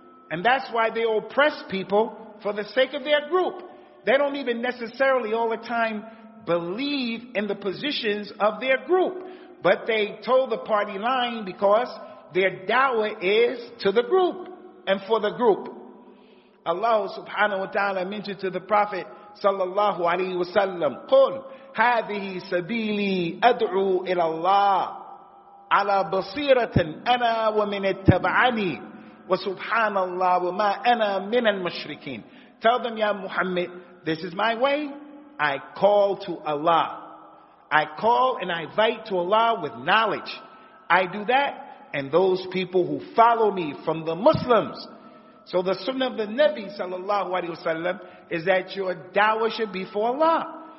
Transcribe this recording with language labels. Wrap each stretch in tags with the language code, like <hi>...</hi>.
<en>And that's why they oppress people for the sake of their group. They don't even necessarily all the time believe in the positions of their group, but they toe the party line because their da'wah is to the group and for the group.</en> <ar>Allah subhanahu wa ta'ala</ar> <en>mentioned to the Prophet</en> <ar>sallallahu alayhi wa sallam, قُلْ هَذِهِ سَبِيلِي أَدْعُو إِلَى اللَّهِ عَلَىٰ بَصِيرَةٍ أَنَا وَمِنِ اتَّبَعَنِي وَسُبْحَانَ اللَّهِ وَمَا أَنَا مِنَ الْمُشْرِكِينَ.</ar> <en>Tell them, Ya Muhammad, this is my way. I call to Allah. I call and I invite to Allah with knowledge. I do that, and those people who follow me from the Muslims. So the sunnah of the Nabi sallallahu alayhi wa sallam is that your da'wah should be for Allah.</en>